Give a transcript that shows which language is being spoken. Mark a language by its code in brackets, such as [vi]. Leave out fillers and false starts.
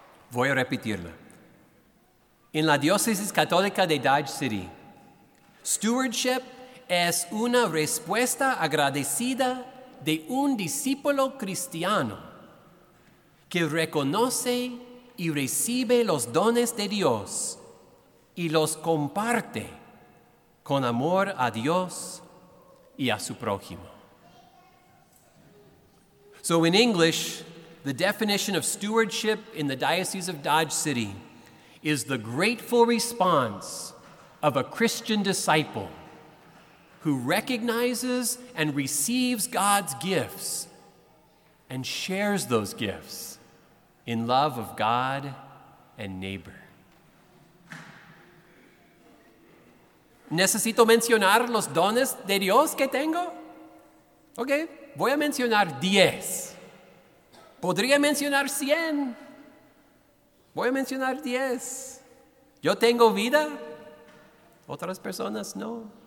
[es] Voy a repetirla. En la diócesis católica de Dodge City, stewardship es una respuesta agradecida de un discípulo cristiano que reconoce y recibe los dones de Dios y los comparte con amor a Dios y a su prójimo. [en] So in English, the definition of stewardship in the Diocese of Dodge City is the grateful response of a Christian disciple who recognizes and receives God's gifts and shares those gifts in love of God and neighbor. [es] ¿Necesito mencionar los dones de Dios que tengo? Okay, voy a mencionar 10. ¿Podría mencionar 100? Voy a mencionar 10. ¿Yo tengo vida? Otras personas no.